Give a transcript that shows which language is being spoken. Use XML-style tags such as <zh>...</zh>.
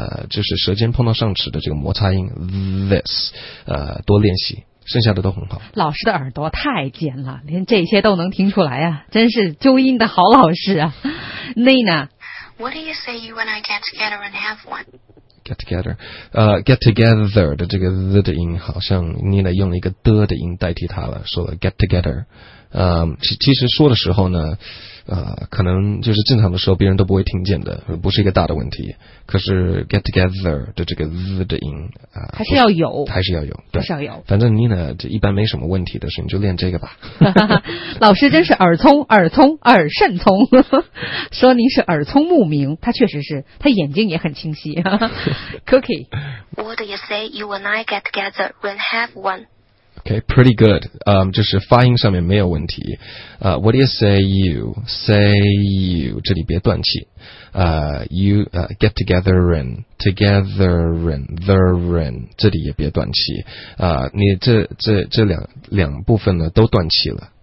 <zh>就是舌尖碰到上齿的这个摩擦音 this， 多练习，剩下的都很好。老师的耳朵太尖了，连这些都能听出来啊，真是纠音的好老师啊。 Nina，</zh> <en>What do you say you and I get together and have one? Get together, get together</en> <zh>的这个 the 的音好像你来用了一个的的音代替它了，说了 get together, 其实说的时候呢，可能就是正常的时候别人都不会听见的，不是一个大的问题。可是 get together 的这个 the 的音还是要有，还是要有，对，还是要有。反正你呢，这一般没什么问题的时候，你就练这个吧。老师真是耳聪耳聪耳甚聪，说您是耳聪目明，他确实是，他眼睛也很清晰。 Cookie,</zh> <en>what do you say you and I get together when have one? Okay, pretty good.</en> <zh>就是发音上面没有问题。</zh> <en>What do you say you say you?</en> <zh>这里别断气。</zh> <en>You get together in together in the in</en> <zh>这里也别断气。你这两部分呢都断气了。</zh>